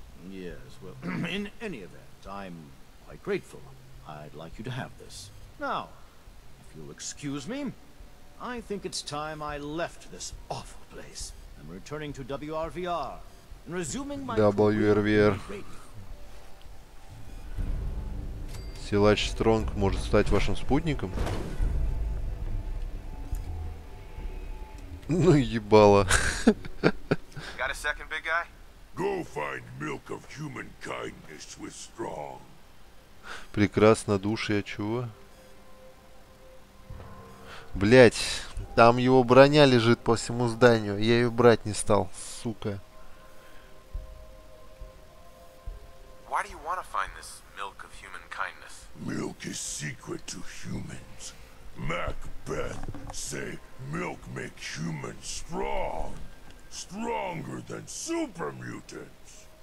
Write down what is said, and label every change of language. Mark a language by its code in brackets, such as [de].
[en] Yes, well, in any event, I'm quite grateful. I'd like you to have this. Now, if you'll excuse me, I think it's time I left this awful place. I'm returning to WRVR and resuming my WRVR. [ru] Силач Стронг может стать вашим спутником? Ну ебало. [en] Got a second, big guy? Go find milk of human kindness with Strong. [ru] Прекрасно, души, а чего? Блять, там его броня лежит по всему зданию. Я ее брать не стал, сука. [en] Why do you want to find this milk of human kindness? Milk is secret to humans. Macbeth say milk make humans strong. Stronger than super mutants.